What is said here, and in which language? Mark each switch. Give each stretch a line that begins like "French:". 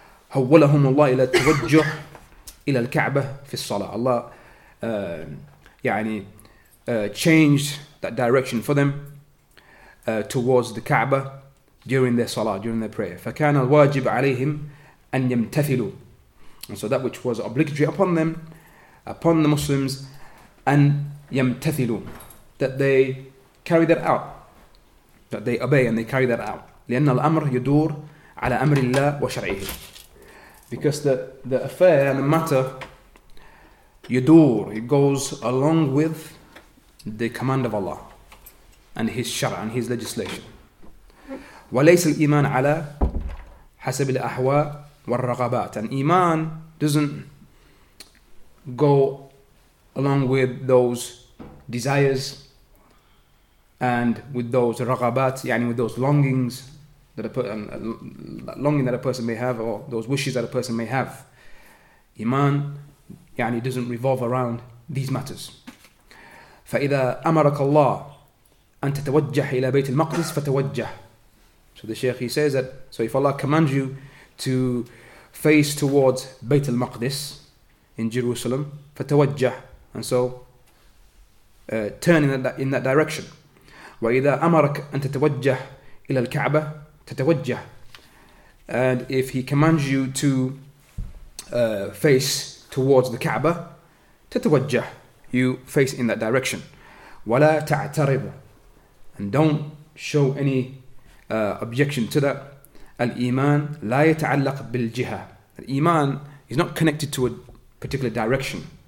Arabic: حولهم الله إلى التوجه إلى الكعبة في الصلاة.
English: Allah changed that direction for them towards the Kaaba during their salah, during their prayer.
Arabic: فكان الواجب عليهم أن يمتثلوا.
English: And so that which was obligatory upon them, upon the Muslims,
Arabic: أن يمتثلوا,
English: that they carry that out, that they obey and they carry that out.
Arabic: لأن الأمر يدور على أمر الله وشرعه.
English: Because the affair and the matter يدور, it goes along with the command of Allah and His شرع and His legislation.
Arabic: وليس الإيمان على حسب الأحواء والرغبات.
English: And Iman doesn't go along with those desires and with those raghabat, yani with those longings that longing that a person may have, or those wishes that a person may have. Iman yani doesn't revolve around these matters.
Arabic: فإذا أمرك الله أن تتوجه إلى بيت المقدس فتوجه.
English: So the Shaykh, he says that, so if Allah commands you to face towards بيت المقدس in Jerusalem, فتوجه. And so, turn in that direction.
Arabic: وَإِذَا أَمَرَكَ أَن تَتَوَجَّهَ إِلَى الْكَعْبَةِ تَتَوَجَّهَ.
English: And if he commands you to face towards the Kaaba, تتوجه. You face in that direction.
Arabic: وَلَا تَعْتَرِبُ.
English: And don't show any objection to that.
Arabic: الإيمان لا يتعلق بالجهة.
English: Iman is not connected to a particular direction.